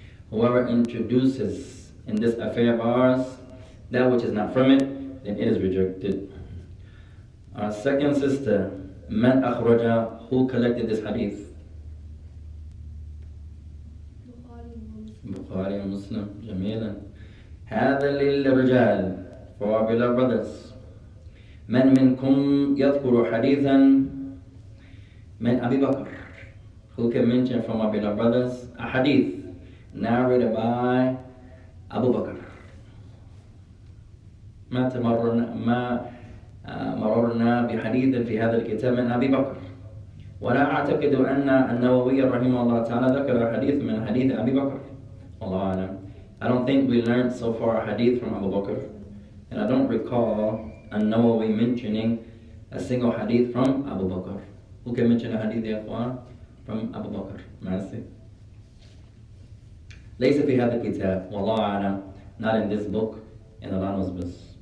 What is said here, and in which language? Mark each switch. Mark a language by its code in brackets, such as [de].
[en] Whoever introduces in this affair of ours that which is not from it, then it is rejected. Our second sister, [ar] من أخرج, [en] who collected this hadith? Bukhari and Muslim. [ar] جميلا. هذا للرجال. [en] For our beloved brothers. [ar] من منكم يذكر حديثا من أبي بكر. [en] Who can mention from our beloved brothers a hadith narrated by Abu Bakr. [ar] ما تمرنا ما مررنا بحديث في هذا الكتاب من أبي بكر. ولا أعتقد أن النووي رحمه الله تعالى ذكر حديث من حديث أبي بكر. الله أعلم. [en] I don't think we learned so far a hadith from Abu Bakr, and I don't recall an Nawawi mentioning a single hadith from Abu Bakr. Who can mention a hadith therefore from Abu Bakr? Mercy. [ar] Laysa fi hadha kitab, wallahu a'lam, [en] not in this book, and Allah knows best.